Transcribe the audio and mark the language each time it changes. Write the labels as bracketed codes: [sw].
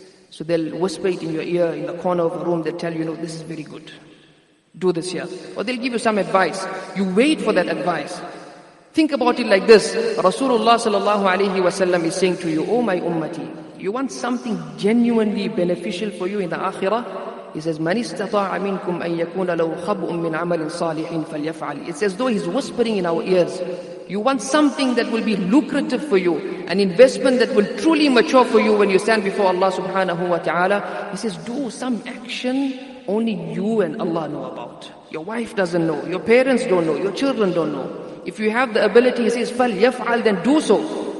[en] So they'll whisper it in your ear in the corner of the room. They'll tell you, know, this is very good. Do this here. Or they'll give you some advice. You wait for that advice. Think about it like this. Rasulullah sallallahu alayhi wa sallam is saying to you, oh my ummati, you want something genuinely beneficial for you in the akhirah? He says, [ar] مَنِ اسْتَطَاعَ مِنْكُمْ أَن يَكُونَ لَوْ خَبْءٌ مِّنْ عَمَلٍ صَالِحٍ فَلْيَفْعَلِ. [en] It's as though he's whispering in our ears. You want something that will be lucrative for you, an investment that will truly mature for you when you stand before Allah subhanahu wa ta'ala. He says, do some action only you and Allah know about. Your wife doesn't know. Your parents don't know. Your children don't know. If you have the ability, he says, [ar] فَلْيَفْعَلْ, [en] then do so.